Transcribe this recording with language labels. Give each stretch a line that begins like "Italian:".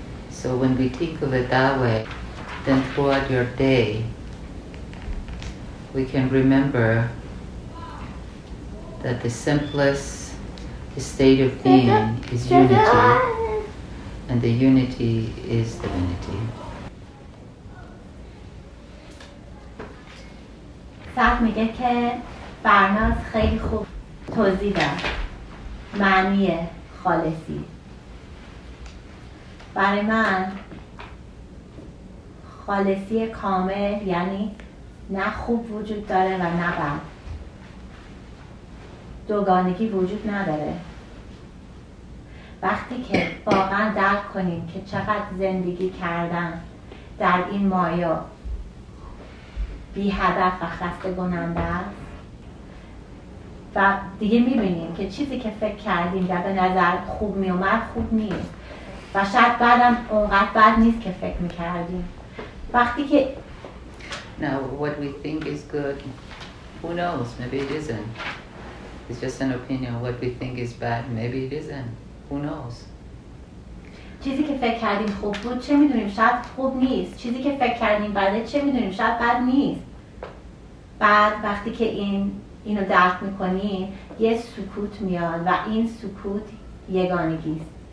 English: So when we think of it that way, then throughout your day, we can remember that the simplest state of being is unity, and the unity is divinity.
Persian: سعد میگه که فرناز خیلی خوب توضیح داد معنی خالصی. برای من خالصی کامل یعنی نه خوب وجود داره و نه بد. دوگانگی وجود نداره. وقتی که واقعا درک کنیم که چقدر زندگی کردن در این مایا بی هدف و خسته کننده است و دیگه میبینیم که چیزی که فکر کردیم در به نظر خوب میومد خوب نیست و شاید بعدم اونقدر بد نیست که فکر میکردیم وقتی که
English: Now what we think is good, who knows, maybe it isn't. It's just an opinion. What we think is bad, maybe it isn't. Who knows?
Persian: چیزی که فکر کردیم خوب بود چه میدونیم شاید خوب نیست چیزی که فکر کردیم بده چه میدونیم شاید بد نیست بعد وقتی که اینو درک میکنی یه سکوت میاد و این سکوت یگانگیست